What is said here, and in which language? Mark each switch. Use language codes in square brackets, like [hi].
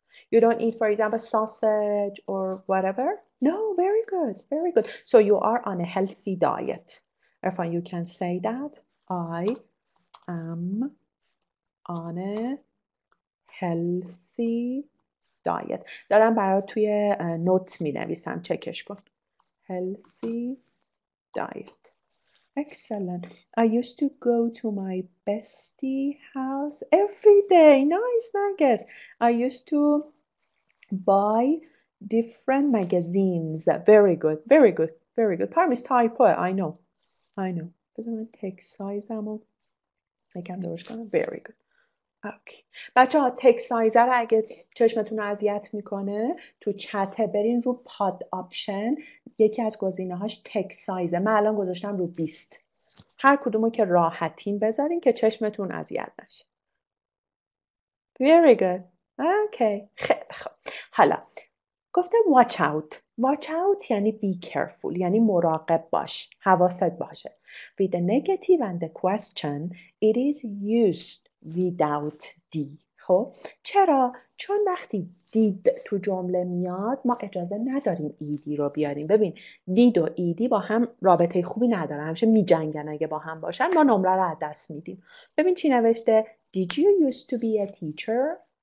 [en] You don't eat, for example, sausage or whatever? No, very good. Very good. So you are on a healthy diet. If you can say that, I am on a healthy diet. [fa] دارم برای توی نوت می نویسم. چکش کن. [en] Healthy diet. Excellent. I used to go to my bestie house every day. Nice, nuggets. I used to buy different magazines. Very good. Very good. Very good. Time is typo. I know. I know. [fa] بذار من تک سایزم رو یکم درست کنم. [en] Very good. Okay. [fa] بچه ها تک سایز رو اگه چشمتون رو اذیت میکنه تو چت برین رو پاد آپشن. یکی از گزینه هاش تک سایزه. من الان گذاشتم رو 20. هر کدومو که راحتین بذارین که چشمتون اذیت نشه. [en] Very good. Okay. [fa] خیلی خب. حالا. گفته [en] watch out. Watch out [fa] یعنی [en] be careful. [fa] یعنی مراقب باش. حواست باشه. [en] With the negative and the question, it is used without the. [fa] خب. چرا؟ چون وقتی did تو جمله میاد ما اجازه نداریم ed رو بیاریم. ببین. Did و ed با هم رابطه خوبی ندارن. همیشه می جنگن اگه با هم باشن. ما نمره رو از دست میدیم. ببین چی نوشته؟ [en] Did you used to be a teacher?